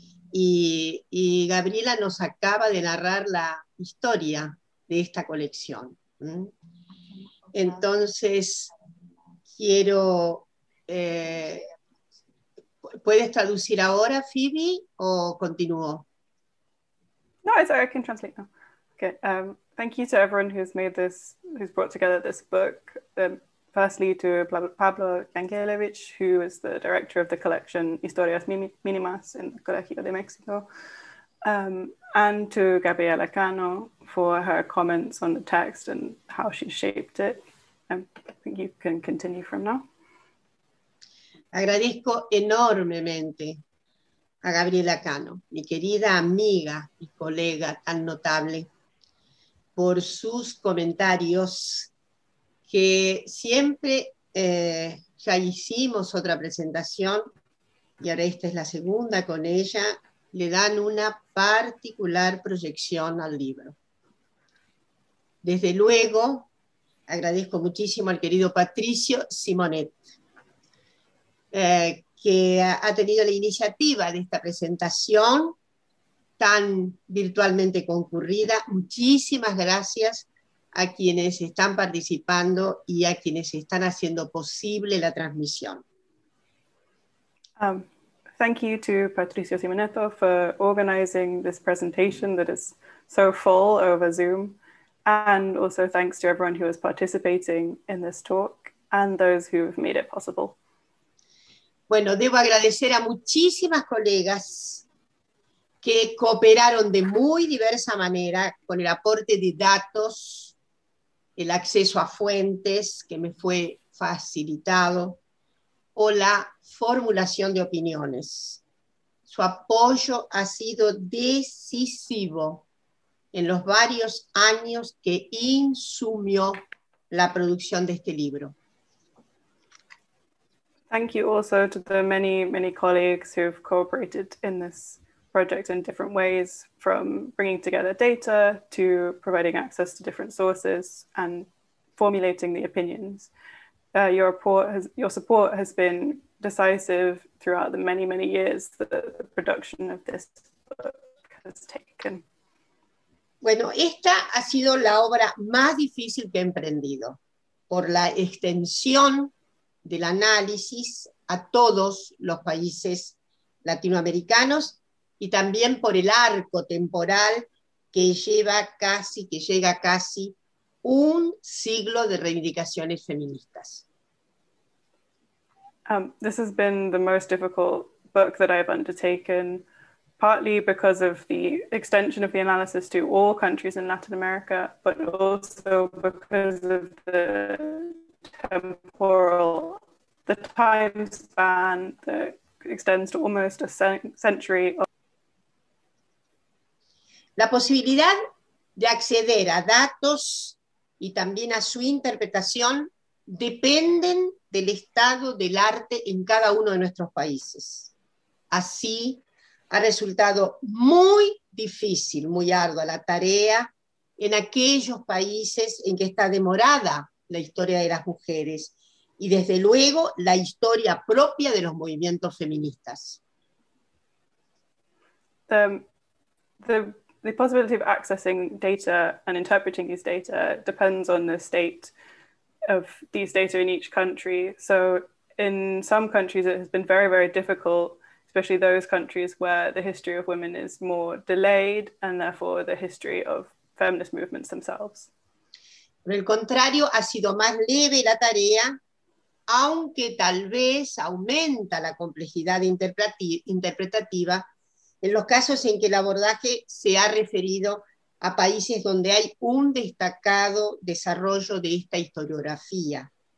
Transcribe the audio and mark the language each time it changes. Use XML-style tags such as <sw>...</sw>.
<es>Y Gabriela nos acaba de narrar la historia de esta colección. Entonces, quiero, ¿puedes traducir ahora, Phoebe, o continúo?</es> <en>No, it's okay, I can translate now. Okay, thank you to everyone who's made this, who's brought together this book. Firstly, to Pablo Yankelevich, who is the director of the collection Historias Mínimas in the Colegio de México, and to Gabriela Cano for her comments on the text and how she shaped it. I think you can continue from now.</en> <es>Agradezco enormemente a Gabriela Cano, mi querida amiga y colega tan notable, por sus comentarios que siempre ya hicimos otra presentación y ahora esta es la segunda con ella, le dan una particular proyección al libro. Desde luego, agradezco muchísimo al querido Patricio Simonetto, que ha tenido la iniciativa de esta presentación tan virtualmente concurrida. Muchísimas gracias a quienes están participando y a quienes están haciendo posible la transmisión.</es> <en>Thank you to Patricio Simonetto for organizing this presentation that is so full over Zoom. And also thanks to everyone who is participating in this talk and those who have made it possible.</en> <es>Bueno, debo agradecer a muchísimas colegas que cooperaron de muy diversa manera con el aporte de datos, el acceso a fuentes que me fue facilitado, o la formulación de opiniones. Su apoyo ha sido decisivo en los varios años que insumió la producción de este libro.</es> <en>Thank you also to the many, many colleagues who have cooperated in this project in different ways, from bringing together data to providing access to different sources and formulating the opinions. Your support has been decisive throughout the many, many years that the production of this book has taken.</en> <es>Bueno, esta ha sido la obra más difícil que he emprendido por la extensión del análisis a todos los países latinoamericanos y también por el arco temporal que lleva casi, que llega casi un siglo de reivindicaciones feministas.</es> <en>This has been the most difficult book that I've undertaken, partly because of the extension of the analysis to all countries in Latin America, but also because of the temporal, the time span that extends to almost a century.</en> <es>La posibilidad de acceder a datos y también a su interpretación dependen del estado del arte en cada uno de nuestros países. Así, ha resultado muy difícil, muy ardua la tarea en aquellos países en que está demorada la historia de las mujeres y desde luego la historia propia de los movimientos feministas.</es> <en>The possibility of accessing data and interpreting these data depends on the state of these data in each country. So in some countries it has been very, very difficult, especially those countries where the history of women is more delayed and therefore the history of feminist movements themselves.</en> <es>Por el contrario, ha sido más leve la tarea, aunque tal vez aumenta la complejidad interpretativa en los casos en que el abordaje se ha referido a países donde hay un destacado desarrollo de esta historiografía.</es>